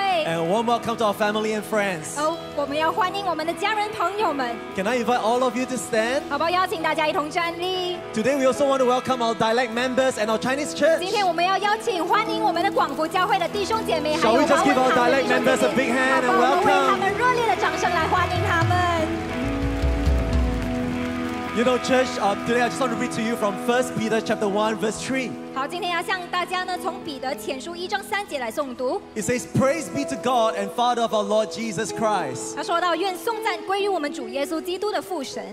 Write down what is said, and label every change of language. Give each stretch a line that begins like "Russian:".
English: And a warm welcome to our family and friends.
Chinese: 我们要欢迎我们的家人朋友们.
English: Can I invite all of you to stand?
Chinese: 好不好邀请大家一同站立.
English: Today we also want to welcome our dialect members and our Chinese church.
Chinese: 今天我们要邀请欢迎我们的广福教会的弟兄姐妹.
English: Shall we just give our dialect members a big hand and welcome?
Chinese: 好不好我们为他们热烈的掌声来欢迎他们.
English: You know, church, today I just want to read to you from 1 Peter chapter 1, verse 3.
Chinese: 好,今天要向大家呢,从彼得前书1章3节来诵读.
English: It says, Praise be to God and Father of our Lord Jesus Christ.
Chinese: 他说到,愿颂赞归于我们主耶稣基督的父神.